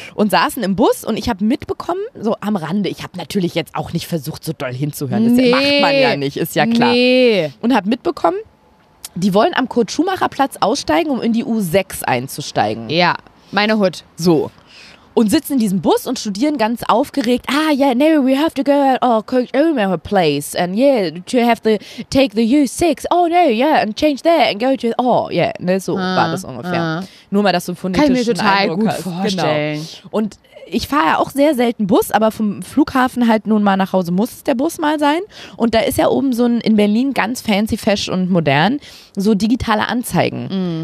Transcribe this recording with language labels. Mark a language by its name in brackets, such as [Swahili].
[German] Und saßen im Bus und ich habe mitbekommen, so am Rande, ich habe natürlich jetzt auch nicht versucht, so doll hinzuhören. Das macht man ja nicht, ist ja klar. Nee. Und habe mitbekommen, die wollen am Kurt-Schumacher-Platz aussteigen, um in die U6 einzusteigen. Ja, meine Hut. So. Und sitzen in diesem Bus und studieren ganz aufgeregt. [English] Ah, yeah, no, we have to go at our Kurt-Schumacher place. And yeah, to have to take the U6. Oh, no, yeah, and change that and go to... [German] Oh, yeah, ne, so war das ungefähr. Nur mal, dass du phonetisch einen Eindruck hast. Kann ich mir total gut vorstellen. Genau. Und ich fahre ja auch sehr selten Bus, aber vom Flughafen halt nun mal nach Hause muss der Bus mal sein. Und da ist ja oben so ein, in Berlin ganz fancy, fesch und modern, so digitale Anzeigen.